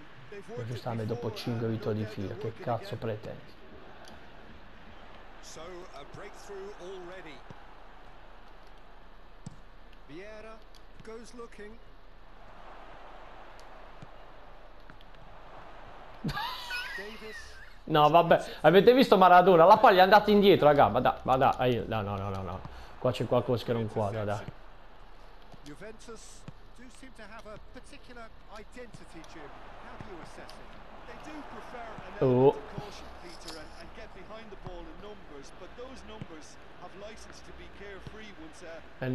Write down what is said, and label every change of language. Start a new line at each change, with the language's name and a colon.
Italian: E giustamente dopo 5 vittorie di fila, che cazzo pretendi?
English: So a breakthrough already. Vieira goes looking.
Italian: No, vabbè, avete visto Maradona? La palla è andata indietro, raga. Ma da, no, no, no, no, no. Qua c'è qualcosa che non quadra, dai.
English: Juventus do seem to have a particular identity, Jim. How do you assess it? They do prefer an element of caution, Peter, and get behind the ball in numbers, but those numbers have license to be carefree once